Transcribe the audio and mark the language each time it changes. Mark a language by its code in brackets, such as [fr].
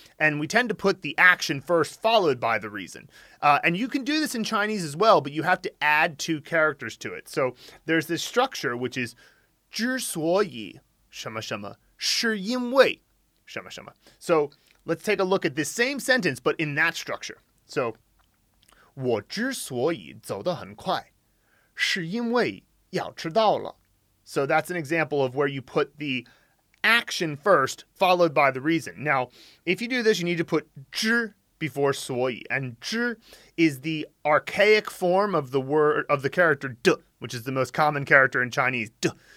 [en] And we tend to put the action first, followed by the reason. And you can do this in Chinese as well, but you have to add two characters to it. So there's this structure, which is [zh] 之所以什么什么是因为什么什么. [en] So let's take a look at this same sentence, but in that structure. [zh] So 我之所以走得很快. 是因为要迟到了. [en] So that's an example of where you put the action first, followed by the reason. Now, if you do this, you need to put 知 before 所以. And 知 is the archaic form of the word of the character 的, which is the most common character in Chinese, 的.